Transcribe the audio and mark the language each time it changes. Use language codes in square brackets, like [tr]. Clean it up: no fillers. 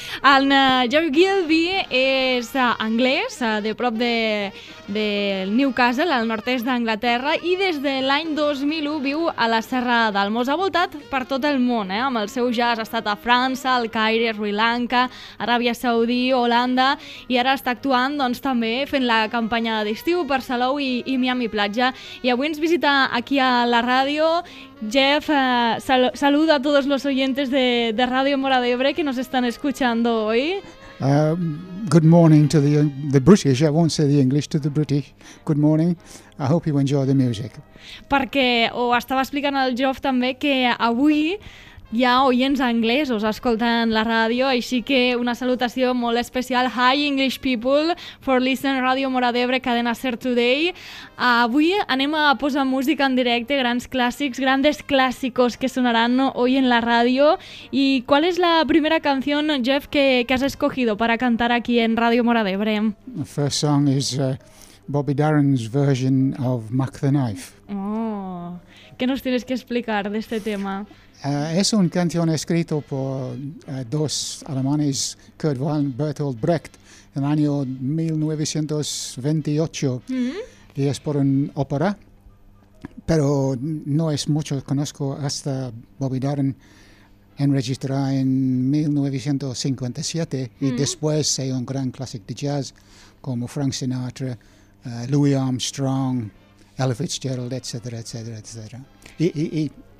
[ca] El Jeff Gilby és anglès, de prop de Newcastle, al nord-est d'Anglaterra, i des de l'any 2001 viu a la Serra d'Almós, ha voltat per tot el món, amb el seu jazz. Ha estat a França, al Caire, Sri Lanka, Aràbia Saudí, Holanda, i ara està actuant, doncs, també fent la campanya d'estiu per Salou i Miami Platja. I avui ens visita aquí a la ràdio. [es] Jeff, saluda a todos los oyentes de Radio Mora d'Ebre que nos están escuchando hoy. [en] Good morning to the British. I won't say the English, to the British. Good morning. I hope you enjoy the music. [ca] Perquè estava explicant al Jeff també que avui hi ha oients anglesos escoltant la ràdio, així que una salutació molt especial. [en] Hi, English people, for listening Radio Mora d'Ebre, Cadena Ser Today. [ca] Avui anem a posar música en directe, grans clàssics, [es] grandes clàssicos [ca] que sonaran hoy en la ràdio. I qual és la primera canció, Jeff, que [es] has escogido para cantar aquí en [ca] Radio Mora d'Ebre? [en] The first song is Bobby Darin's version of Mack the Knife. [es] Oh, què nos tienes que explicar d'este tema? Es una canción escrita por dos alemanes, Kurt Weill y Bertolt Brecht, en el año 1928, y es por una ópera, pero no es mucho conozco hasta Bobby Darin enregistrar en 1957, y después hay un gran clásico de jazz como Frank Sinatra, Louis Armstrong, Ella Fitzgerald, etc.